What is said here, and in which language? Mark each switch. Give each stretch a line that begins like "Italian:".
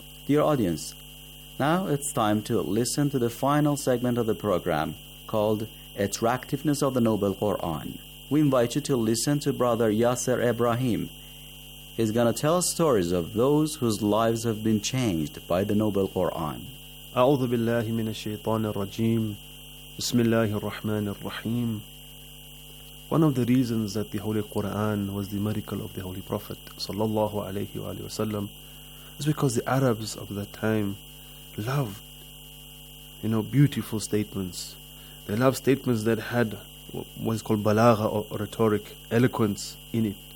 English: Dear audience, now it's time to listen to the final segment of the program called Attractiveness of the Noble Quran. We invite you to listen to Brother Yasser Ibrahim. He's going to tell stories of those whose lives have been changed by the Noble Quran.
Arabic: أعوذ بالله من الشيطان الرجيم. بسم الله الرحمن الرحيم.
English: One of the reasons that the Holy Quran was the miracle of the Holy Prophet
Arabic: صلى الله عليه وآله وسلم
English: is because the Arabs of that time loved, you know, beautiful statements. They loved statements that had what is called balagha or rhetoric, eloquence in it.